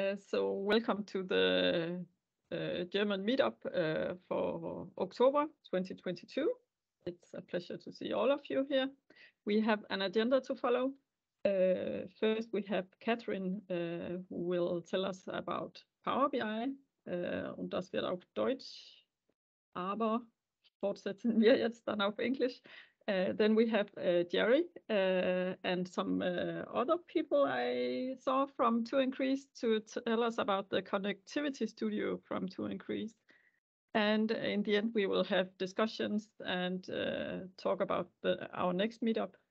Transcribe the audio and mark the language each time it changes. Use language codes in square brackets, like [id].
[en] So welcome to the German Meetup for October 2022. It's a pleasure to see all of you here. We have an agenda to follow. First, we have Kathrin, who will tell us about Power BI. [de] Und das wird auch Deutsch, aber fortsetzen wir jetzt dann auf Englisch. [en] Then we have Jerry and some other people I saw from To Increase to tell us about the connectivity studio from To Increase. And in the end, we will have discussions and talk about our next meetup.